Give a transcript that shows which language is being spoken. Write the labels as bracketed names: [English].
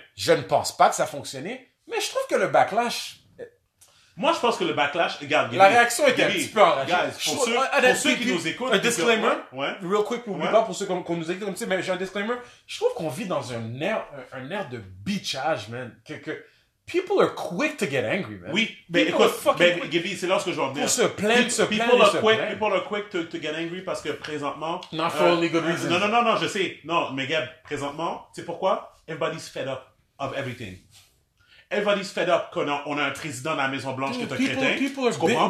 [French] Je ne pense pas que ça fonctionnait, mais je trouve que le backlash... Moi, je pense que le backlash... Regarde, la réaction était un petit peu enragée. Pour ceux qui nous écoutent... Un disclaimer, [English] real quick, [French] pour ceux qu'on nous écoute comme ça, mais j'ai un disclaimer. Je trouve qu'on vit dans un air de bitchage, man. [English] Que people are quick to get angry, man. [French] Oui, mais écoute, Gabby, c'est là ce que je veux en venir. Pour se plaindre, [English] People are quick to get angry [French] parce que présentement... [English] Not for only good reasons. [French] Non, je sais. Non, mais Gab, présentement, tu sais pourquoi? [English] Everybody's fed up of everything. Everybody's fed up [French] qu'on a un président de la Maison-Blanche qui est un crétin.